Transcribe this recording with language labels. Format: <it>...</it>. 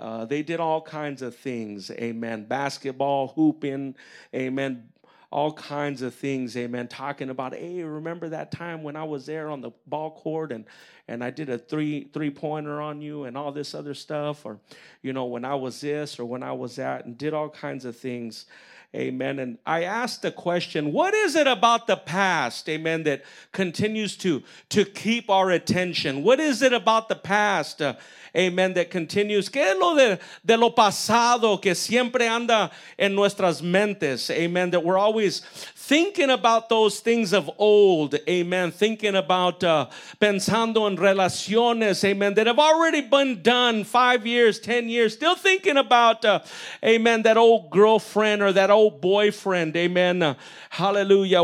<en>they did all kinds of things, amen, basketball, hooping, amen, all kinds of things, amen, talking about, hey, remember that time when I was there on the ball court and I did a three-pointer on you and all this other stuff, or, you know, when I was this or when I was that, and did all kinds of things, amen. And I asked the question, what is it about the past, amen, that continues to keep our attention? What is it about the past, amen, that continues?</en> <es>¿Qué es lo de lo pasado que siempre anda en nuestras mentes?</es> <en>Amen, that we're always thinking about those things of old, amen, thinking about</en> <es>pensando en relaciones,</es> <en>amen, that have already been done 5 years, 10 years, still thinking about, amen, that old girlfriend or that old boyfriend, amen, hallelujah.</en>